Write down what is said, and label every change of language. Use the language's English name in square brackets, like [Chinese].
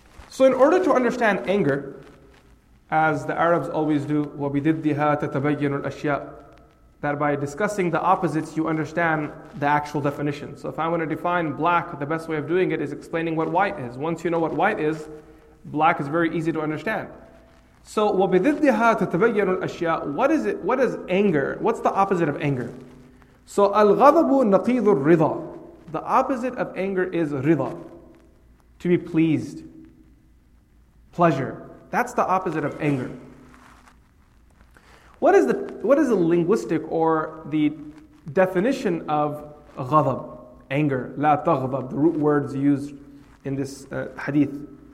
[English] So in order to understand anger, as the Arabs always do, [Arabic] وَبِدِدِّهَا تَتَبَيَّنُ الْأَشْيَاءُ, [English] that by discussing the opposites, you understand the actual definition. So if I want to define black, the best way of doing it is explaining what white is. Once you know what white is, black is very easy to understand. So [Arabic] وَبِدِدِّهَا تَتَبَيَّنُ الْأَشْيَاءُ, [English] what is it? What is anger? What's the opposite of anger? [Arabic] So الْغَضَبُ نَقِيدُ الرِّضَى. [English] The opposite of anger is رِضَى, to be pleased, pleasure. That's the opposite of anger. What is the linguistic or the definition of غضب, anger, لا تغضب, the root words used in this hadith?